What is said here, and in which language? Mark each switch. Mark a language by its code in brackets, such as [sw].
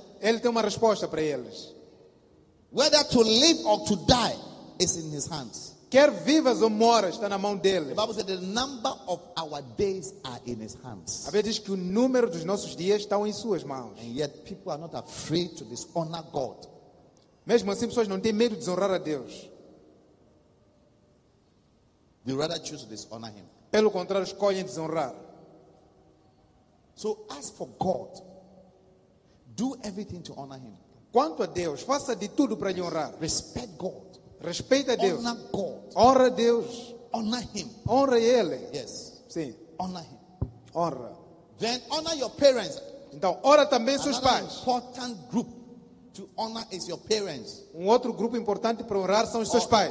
[pt] Ele tem uma resposta para eles. [en] Whether to live or to die is in his hands. [pt] Quer vivas ou moras, está na mão dele. [en] The Bible says the number of our days are in his hands. [pt] A Bíblia diz que o número dos nossos dias estão em suas mãos. [en] And yet people are not afraid to dishonor God. [pt] Mesmo assim, pessoas não têm medo de desonrar a Deus. [en] They rather choose to dishonor him. [pt] Pelo contrário, escolhem desonrar. [en] So as for God, do everything to honor him. [pt] Quanto a Deus, faça de tudo para lhe honrar. [en] Respect God. [pt] Respeita a Deus. [en] Honor God. [pt] Honra Deus. [en] Honor him. [pt] Honra ele. [en] Yes. [pt] Sim. [en] Honor him. [pt] Honra. [en] Then honor your parents. [pt] Então, honra também [en] Another [pt] seus pais. [en] Another important group to honor is your parents. [pt] Outro grupo importante para honrar são os seus pais.